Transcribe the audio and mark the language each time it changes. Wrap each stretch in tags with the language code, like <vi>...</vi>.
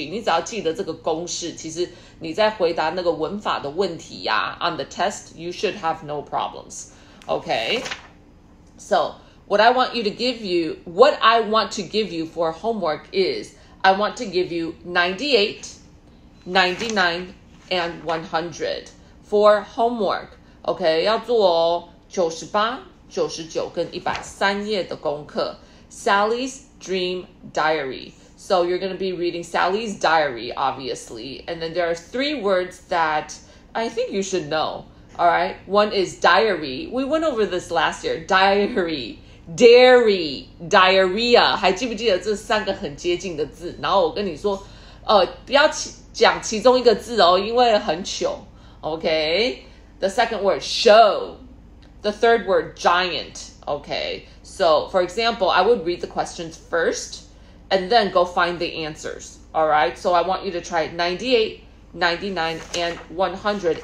<zh>你只要记得这个公式，其实你在回答那个文法的问题呀，</zh> <en>on the test, you should have no problems.</en> <zh>Okay.</zh> <en>So what I want to give you for homework is I want to give you 98, 99, and 100. For homework,</en> <zh>OK， 要做哦，98、99跟103页的功课。</zh> <en>Sally's Dream Diary. So you're going to be reading Sally's diary, obviously. And then there are three words that I think you should know. All right. One is diary. We went over this last year. Diary. Dairy, diarrhea,</en> <zh>还记不记得这三个很接近的字？然后我跟你说，不要讲其中一个字哦，因为很糗。</zh> <en>Okay, the second word show, the third word giant. Okay, so for example, I would read the questions first, and then go find the answers. All right, so I want you to try 98, 99, and 100.</en>